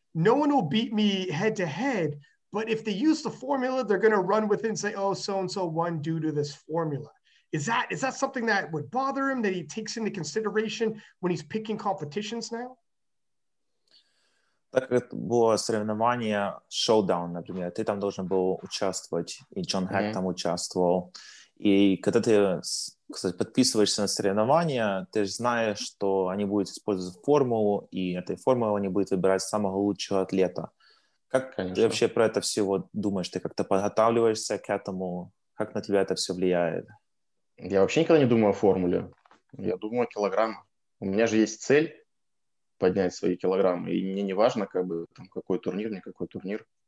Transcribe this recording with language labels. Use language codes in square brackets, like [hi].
[en] No one will beat me head to head. But if they use the formula, they're going to run with it and say, oh, so-and-so won due to this formula. Is that something that would bother him that he takes into consideration when he's picking competitions now? [uk] Так було соревнування Showdown, наприклад. Ти там должен був участвувати, і Джон Гек там участвував. І коли ти, кстати, підписуєшся на соревнования, ти ж знаєш, що вони будуть використовувати формулу, і на цій формулі вони будуть вибирати самого лучшого атлета. [ru] Как ты вообще про это все вот думаешь? Ты как-то подготавливаешься к этому? Как на тебя это все влияет? Я вообще никогда не думаю о формуле. Я думаю о килограммах. У меня же есть цель поднять свои килограммы. И мне не важно, как бы, там, какой турнир, не какой турнир.